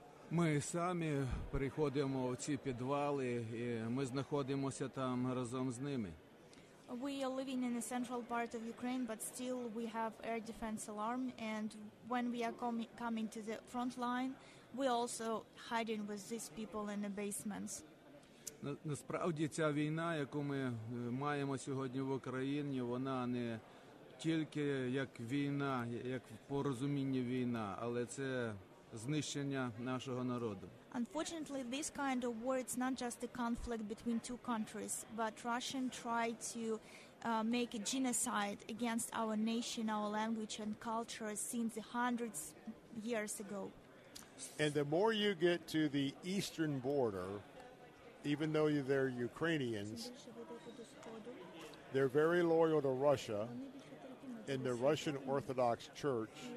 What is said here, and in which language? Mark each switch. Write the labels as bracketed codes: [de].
[uk] Ми самі приходимо в ці підвали, і ми знаходимося там разом з ними. [en] We are living in the central part of Ukraine, but still we have air defense alarm, and when we are coming to the front line, we also hiding with these people in the basements. [uk] Насправді ця війна, яку ми маємо сьогодні в Україні, вона не тільки як війна, як порозуміння війна, але це знищення нашого народу. [en] Unfortunately, this kind of war, it's not just a conflict between two countries, but Russian tried to make a genocide against our nation, our language and culture since hundreds years ago. And the more you get to the eastern border, even though they're Ukrainians, they're very loyal to Russia and the Russian Orthodox Church.